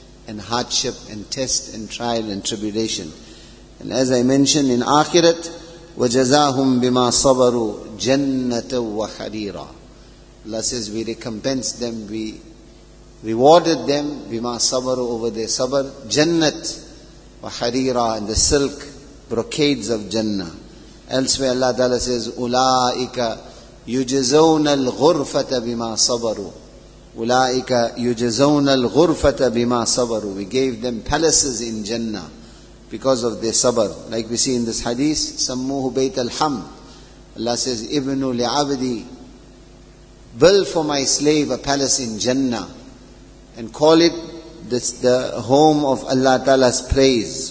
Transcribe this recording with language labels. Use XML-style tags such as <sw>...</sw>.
<en>and hardship and test and trial and tribulation. And as I mentioned in Akhirat,</en> <ar>وَجَزَاهُمْ بِمَا صَبَرُوا جَنَّةً وَحَرِيرًا.</ar> <en>Allah says, we recompensed them, we rewarded them,</en> <ar>بِمَا صَبَرُوا</ar> <en>over their sabr, jannat وَحَرِيرًا, and the silk, brocades of Jannah. Elsewhere Allah Ta'ala says,</en> <ar>أُولَٰئِكَ يُجَزَوْنَ الْغُرْفَةَ بِمَا صَبَرُوا. أُولَٰئِكَ يُجَزَوْنَ الْغُرْفَةَ بِمَا صَبَرُوا.</ar> <en>We gave them palaces in Jannah because of their sabr. Like we see in this hadith,</en> <ar>سَمُّوهُ بَيْتَ الْحَمْدِ.</ar> <en>Allah says,</en> <ar>إِبْنُ لِعَبْدِ,</ar> <en>build for my slave a palace in Jannah and call it the home of Allah Ta'ala's praise.</en>